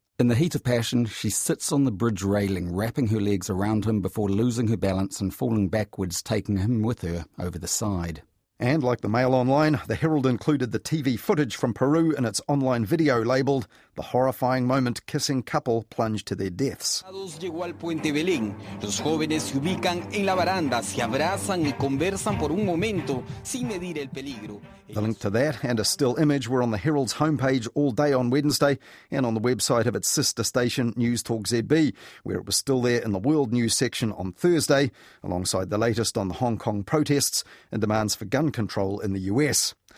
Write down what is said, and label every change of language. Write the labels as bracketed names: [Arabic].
[English] In the heat of passion, she sits on the bridge railing, wrapping her legs around him before losing her balance and falling backwards, taking him with her over the side. And like the Mail Online, the Herald included the TV footage from Peru in its online video labelled The Horrifying Moment Kissing Couple Plunged to Their Deaths. [Spanish] Llegó al puente Belén. Los jóvenes se ubican en la baranda, se abrazan y conversan por un momento sin medir el peligro. [English] The link to that and a still image were on the Herald's homepage all day on Wednesday and on the website of its sister station News Talk ZB, where it was still there in the world news section on Thursday, alongside the latest on the Hong Kong protests and demands for gun control in the US.